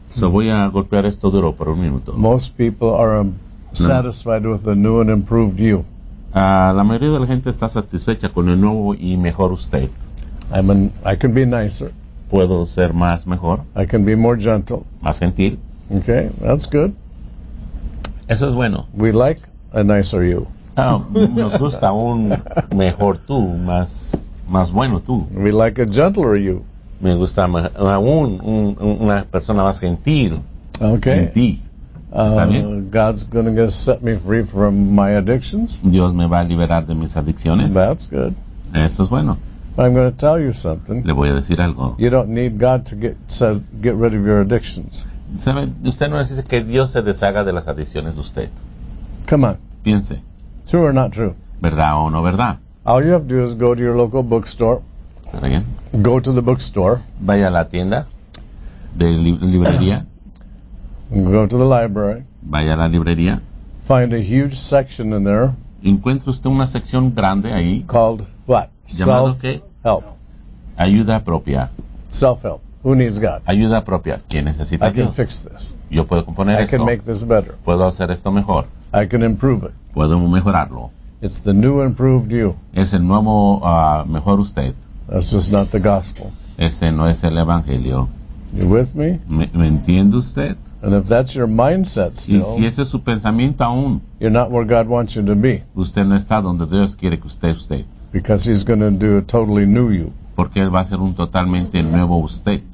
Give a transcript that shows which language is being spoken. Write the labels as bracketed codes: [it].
[es] So voy a golpear esto duro por un minuto. [en] Most people are satisfied with a new and improved you. [es] La mayoría de la gente está satisfecha con el nuevo y mejor usted. [en] I can be nicer. [es] Puedo ser más mejor. [en] I can be more gentle. [es] Más gentil. [en] Okay, that's good. [es] Eso es bueno. [en] We like a nicer you. [es] Nos gusta un mejor tú, más bueno tú. [en] We like a gentler you. [es] Me gusta una persona más gentil. [en] Okay. [es] En ti. ¿Está bien? [en] God's going to set me free from my addictions. [es] Dios me va a liberar de mis adicciones. [en] That's good. [es] Eso es bueno. [en] I'm going to tell you something. [es] Le voy a decir algo. [en] You don't need God to get rid of your addictions. [es] ¿Sabe? Usted no necesita que Dios se deshaga de las adicciones de usted. [en] Come on. [es] Piense. [en] True or not true? [es] ¿Verdad o no verdad? [en] All you have to do is go to your local bookstore. [es] ¿Está bien? [en] Go to the bookstore. [es] Vaya a la tienda de librería. [en] Go to the library. [es] Vaya a la librería. [en] Find a huge section in there. [es] Encuentra usted una sección grande ahí. [en] Called what? [es] Llamado qué? [en] Help. [es] Ayuda propia. [en] Self-help. Who needs God? [es] Ayuda propia. ¿Quién necesita Dios? [en] I can fix this. [es] Yo puedo componer [en] I [es] esto. [en] I can make this better. [es] Puedo hacer esto mejor. [en] I can improve it. [es] Puedo mejorarlo. [en] It's the new improved you. [es] Es el nuevo mejor usted. [en] That's just not the gospel. [es] Ese no es el evangelio. [en] You with me? [es] ¿Me entiende usted? [en] And if that's your mindset still, [es] y si ese es su pensamiento aún, [en] you're not where God wants you to be. [es] Usted no está donde Dios quiere que usted esté. [en] Because he's going to do a totally new you. [es] Porque él va a ser un totalmente nuevo usted.